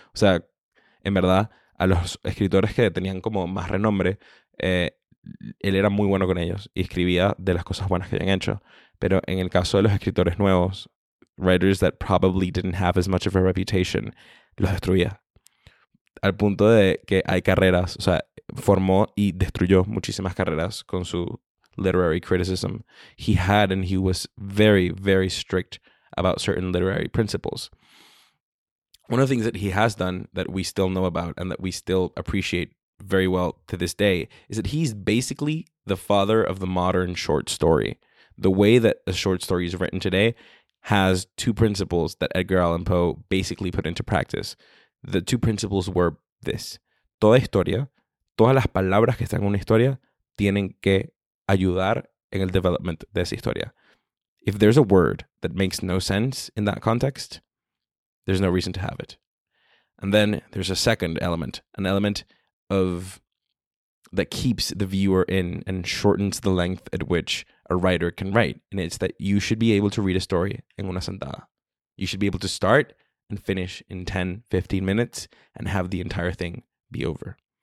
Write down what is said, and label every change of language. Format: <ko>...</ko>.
<es>O sea, en verdad, a los escritores que tenían como más renombre, él era muy bueno con ellos y escribía de las cosas buenas que habían hecho. Pero en el caso de los escritores nuevos,</es> <en>writers that probably didn't have as much of a reputation,</en> <es>los destruía. Al punto de que hay carreras, o sea, formó y destruyó muchísimas carreras con su</es> <en>literary criticism. He had and he was very, very strict about certain literary principles. One of the things that he has done that we still know about and that we still appreciate very well to this day is that he's basically the father of the modern short story. The way that a short story is written today has two principles that Edgar Allan Poe basically put into practice. The two principles were this.</en> <es>Toda historia, todas las palabras que están en una historia, tienen que ayudar en el development de esa historia.</es> <en>If there's a word that makes no sense in that context, there's no reason to have it. And then there's a second element, an element of that keeps the viewer in and shortens the length at which a writer can write. And it's that you should be able to read a story</en> <es>en una sentada.</es> <en>You should be able to start and finish in 10, 15 minutes and have the entire thing be over.</en>